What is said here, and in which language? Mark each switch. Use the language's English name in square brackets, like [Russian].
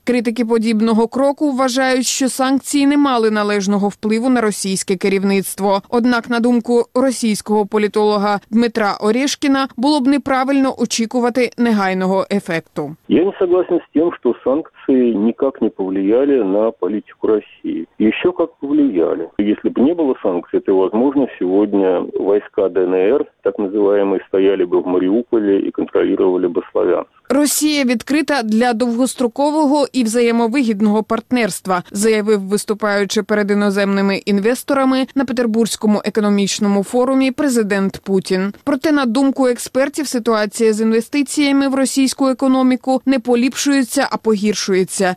[Ukrainian] Критики подібного кроку вважають, що санкції не мали належного впливу на російське керівництво. Однак, на думку російського політолога Дмитра Орєшкіна, було б неправильно очікувати негайного ефекту. [Russian] Я не согласен [Ukrainian] з тим, що санкції [Russian] никак не повлияли на политику России. Еще как повлияли. Если бы не было санкций, то, возможно, сегодня войска ДНР, так называемые стояли бы в Мариуполе и контролировали бы Славянск. [Ukrainian] Росія відкрита для довгострокового і взаємовигідного партнерства, заявив, виступаючи перед іноземними інвесторами на Петербурзькому економічному форумі президент Путін. Проте, на думку експертів, ситуація з інвестиціями в російську економіку не поліпшується, а погіршується.